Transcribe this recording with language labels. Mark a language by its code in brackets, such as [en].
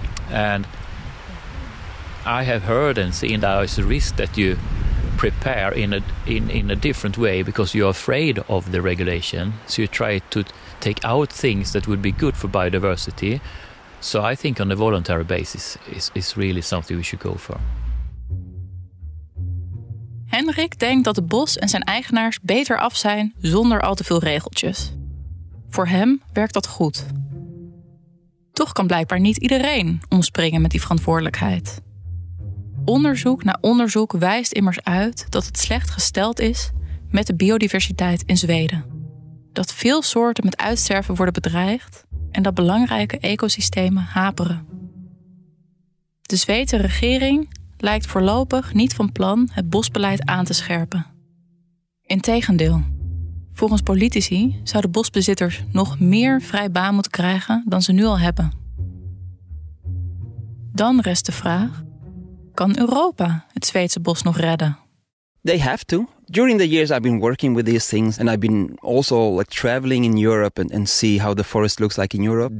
[en] And I have heard and seen that it's a risk that you prepare in a different way, because you're afraid of the regulation, so you try to take out things that would be good for biodiversity. So I think on a voluntary basis is really something we should go for. [nl] Henrik denkt dat het bos en zijn eigenaars beter af zijn zonder al te veel regeltjes. Voor hem werkt dat goed. Toch kan blijkbaar niet iedereen omspringen met die verantwoordelijkheid. Onderzoek na onderzoek wijst immers uit dat het slecht gesteld is met de biodiversiteit in Zweden. Dat veel soorten met uitsterven worden bedreigd en dat belangrijke ecosystemen haperen. De Zweedse regering lijkt voorlopig niet van plan het bosbeleid aan te scherpen. Integendeel, volgens politici zouden bosbezitters nog meer vrij baan moeten krijgen dan ze nu al hebben. Dan rest de vraag: kan Europa het Zweedse bos nog redden? [en] They have to. During the years I've been working with these things, and I've been also like traveling in Europe and see how the forest looks like in Europe.